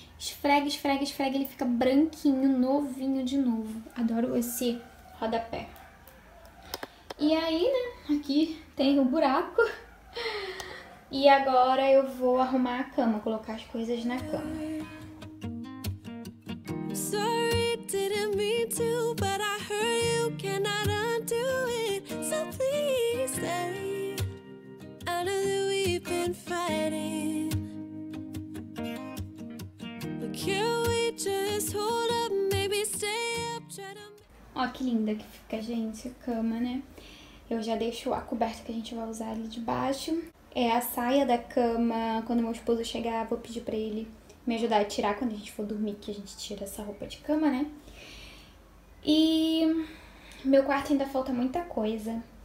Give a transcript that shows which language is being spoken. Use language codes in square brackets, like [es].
[pt] Esfrega, esfrega, esfrega, ele fica branquinho, novinho de novo. Adoro esse rodapé. E aí, né, aqui tem um buraco. E agora eu vou arrumar a cama, colocar as coisas na cama. [en] Sorry, didn't mean to, but I heard you cannot undo it. So please stay. I know that we've been fighting. But can we just hold up, maybe stay up, try to... [pt] Ó, que linda que fica, gente, a cama, né? Eu já deixo a coberta que a gente vai usar ali de baixo. É a saia da cama. Quando meu esposo chegar, vou pedir pra ele me ajudar a tirar quando a gente for dormir, que a gente tira essa roupa de cama, né? E meu quarto ainda falta muita coisa.